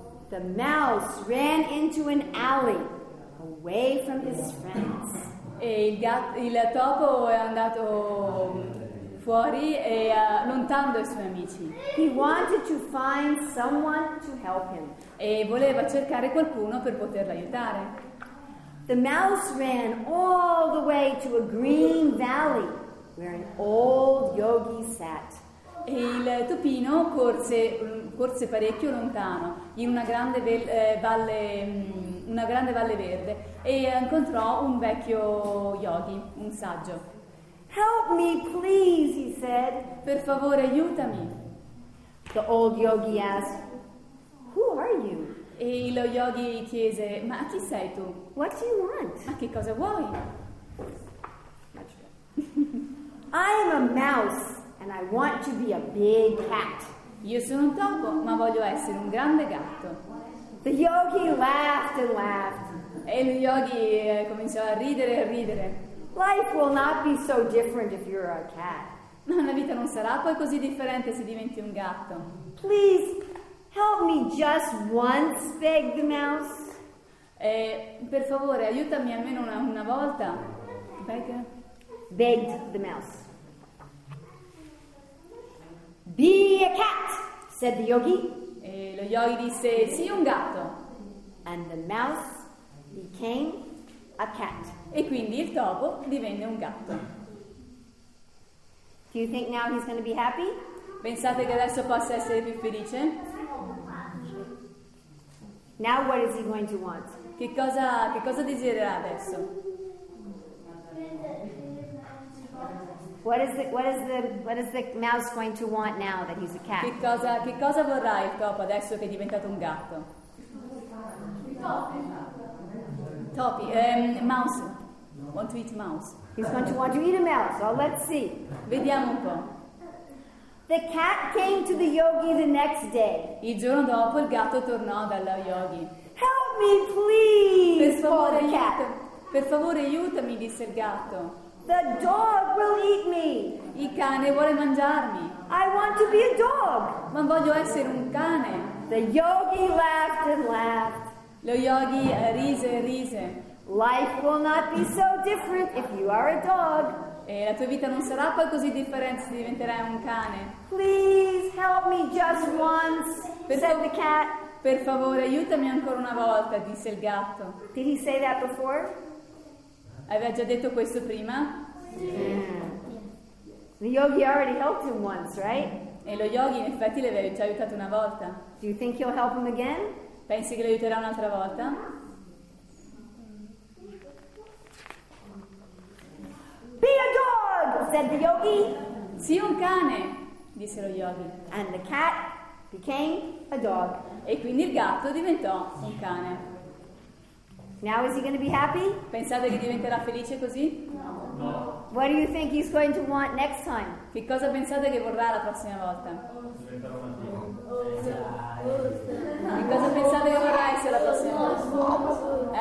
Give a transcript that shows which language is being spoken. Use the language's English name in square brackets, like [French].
[English] The mouse ran into an alley away from his friends. [Italian] E il topo è andato fuori e lontano dai suoi amici. [English] He wanted to find someone to help him. [Italian] E voleva cercare qualcuno per poterlo aiutare. [English] The mouse ran all the way to a green valley where an old yogi sat. [Italian] E il topino corse parecchio lontano in una grande valle verde e incontrò un vecchio yogi, un saggio. [English] "Help me, please," he said. [Italian] "Per favore, aiutami." [English] The old yogi asked, "Who are you?" [Italian] E lo yogi chiese, "Ma chi sei tu?" [English] "What do you want?" [Italian] "Ma che cosa vuoi?" [English] "I am a mouse. And I want to be a big cat." [Italian] Io sono un topo, ma voglio essere un grande gatto. [English] The yogi laughed and laughed. [Italian] E lo yogi cominciò a ridere e a ridere. [English] "Life will not be so different if you're a cat." [Italian] Ma la vita non sarà poi così differente se diventi un gatto. [English] "Please help me just once," begged the mouse. [Italian] "Per favore, aiutami almeno una volta." Beg. [English] begged the mouse. Be a cat, said the yogi. [Italian] E lo yogi disse, sii un gatto. [English] And the mouse became a cat. [Italian] E quindi il topo divenne un gatto. [English] Do you think now he's going to be happy? [Italian] Pensate che adesso possa essere più felice? [English] Now what is he going to want? [Italian] Che cosa desidererà adesso? [English] What is the mouse going to want now that he's a cat? [Italian] Che cosa vorrà il topo adesso che è diventato un gatto? [English] Mouse. Want to eat mouse? He's going to want to eat a mouse. Well, let's see. [Italian] Vediamo un po'. [English] The cat came to the yogi the next day. [Italian] Il giorno dopo il gatto tornò dallo yogi. [English] Help me, please! [Italian] Per favore, [English] the cat. [Italian] Per favore, aiutami, disse il gatto. [English] The dog will eat me. [Italian] Il cane vuole mangiarmi. [English] I want to be a dog. [Italian] Ma voglio essere un cane. [English] The yogi laughed and laughed. [Italian] Lo yogi rise e rise. [English] Life will not be so different if you are a dog. [Italian] E la tua vita non sarà poi così differente se diventerai un cane. [English] Please help me just once, said the cat. [Italian] Per favore, aiutami ancora una volta, disse il gatto. [English] Did he say that before? [Italian] Aveva già detto questo prima? [English] Yeah. The yogi already helped him once, right? [Italian] E lo yogi in effetti l'aveva già aiutato una volta. [English] Do you think he'll help him again? [Italian] Pensi che lo aiuterà un'altra volta? [English] Be a dog, said the yogi. [Italian] Sii un cane, disse lo yogi. [English] And the cat became a dog. [Italian] E quindi il gatto diventò un cane. [English] Now is he going to be happy? [Italian] Pensate che diventerà felice così? [English] No. What do you think he's going to want next time? [Italian] Che cosa pensate che vorrà la prossima volta? Diventerà un dio. Che cosa pensate che vorrà essere la prossima volta?